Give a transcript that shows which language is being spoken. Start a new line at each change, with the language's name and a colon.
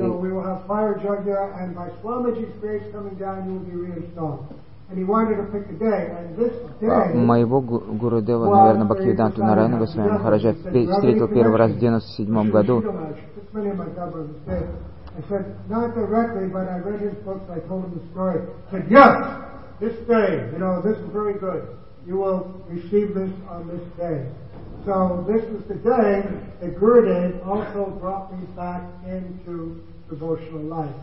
English: we will have fire jagya, and by Swamiji's grace coming down, you will be reinstalled. And he wanted to pick a day, and this day was
Russian: Бхактивиданту Нараяна Госвами Махараджа встретил первый раз в 97-м году.
English: I said, not directly, but I read his books, I told him the story. He said, yes, this day, you know, this is very good. You will receive this on this day. So this is the day that Gurudev also brought me back into devotional life.